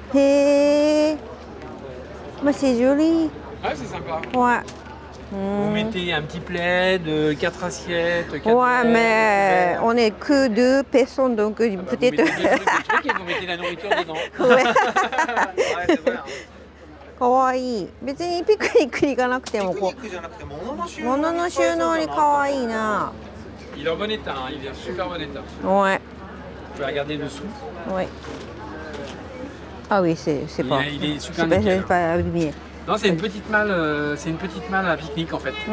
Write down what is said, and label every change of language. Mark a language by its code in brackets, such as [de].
[fr] Et... Mais c'est joli. Ouais, c'est sympa. Ouais. Vous mettez un petit plaid, 4 assiettes. 4 ouais, plaids, mais on est que 2 personnes, donc ah bah, peut-être. Vous mettez, vous mettez la nourriture dedans. Ouais. Ouais, c'est vrai. [ja] かわいい。別にピクニック行かなくてもこう。ピクニックじゃなくて物の収納にかわいいな。 [fr] Il est bon état, il est super bon état. Ouais. Tu vas regarder dessous? Ouais. Ah oui, c'est pas. Il est super bien. C'est pas abîmé. Non, c'est une petite malle, c'est une petite malle à pique-nique en fait.